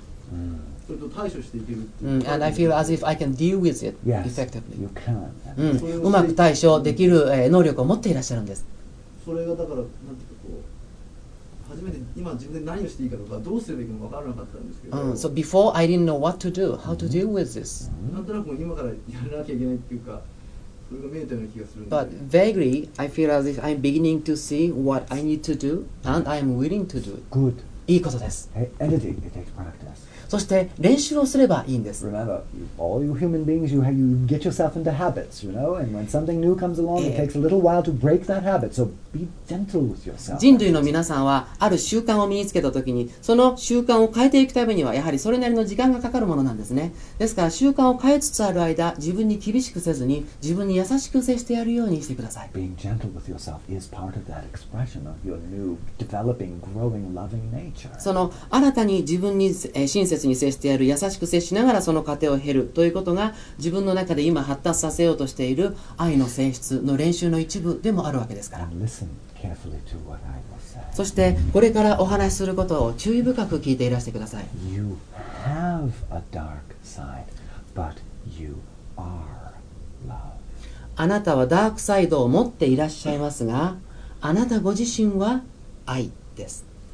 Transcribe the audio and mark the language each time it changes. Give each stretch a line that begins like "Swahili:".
English: And I feel as if I can deal with it effectively. Yes, you can.
Japanese: うまく対処できる能力を持っていらっしゃるんです。それがだからなんていうかこう初めて今自分で何をしていいかとかどうすればいいかも分からなかったんですけど。
English: So before I didn't know what to do, how to deal with this.
Japanese: なんとなくもう今からやらなきゃいけないっていうか、それが見えたような気がするんで。
English: But vaguely, I feel as if I'm beginning to see what I need to do and I'm willing to do. Good.
Japanese: いいことです。
English: Energy, it takes practice.
Japanese: そして練習をすればいいんです。
English: Remember, all you human beings, you get yourself into habits, you know, and when something new comes along, it takes a little while to break that habit. So be gentle with yourself.
Japanese: 人類の皆さんはある習慣を身につけたときに、その習慣を変えていくためにはやはりそれなりの時間がかかるものなんですね。ですから習慣を変えつつある間、自分に厳しくせずに自分に優しく接してやるようにしてください。
English: Being gentle with yourself is part of that expression of your new, developing, growing, loving nature.
Japanese: その新たに自分に親切に接してやる、優しく接しながらその過程を経るということが自分の中で今発達させようとしている愛の性質の練習の一部でもあるわけですから。
English: Listen carefully to what I will say.
Japanese: そしてこれからお話しすることを注意深く聞いていらしてください。
English: You have a dark side, but you are love.
Japanese: あなたはダークサイドを持っていらっしゃいますが、あなたご自身は愛です。